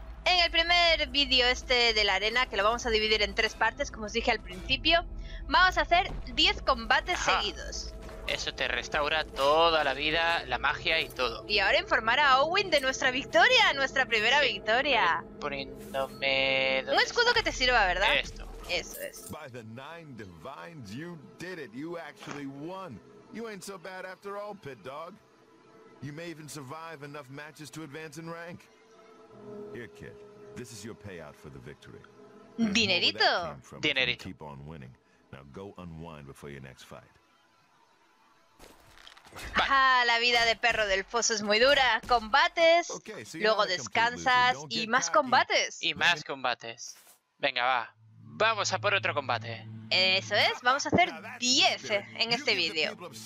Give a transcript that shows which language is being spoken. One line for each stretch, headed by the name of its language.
Spanish: En el primer vídeo este de la arena, que lo vamos a dividir en tres partes, como os dije al principio, vamos a hacer 10 combates seguidos. Eso te restaura toda la vida, la magia y todo. Y ahora informar a Owen de nuestra victoria, nuestra primera victoria. Poniéndome... Un escudo que te sirva, ¿verdad? Esto. Eso es.
English: By the nine divines, you did it. You actually won. You ain't so bad after all, Pit Dog. You may even survive enough matches to advance in rank. Here, kid. This is your payout for the victory.
Spanish: Dinerito. Dinerito.
English: Keep on winning. Now go unwind before your next fight.
Spanish: Ajá, la vida de perro del foso es muy dura. Combates, luego descansas y más combates. Y más combates. Venga, va. Vamos a por otro combate. Eso es, vamos a hacer 10 en este vídeo.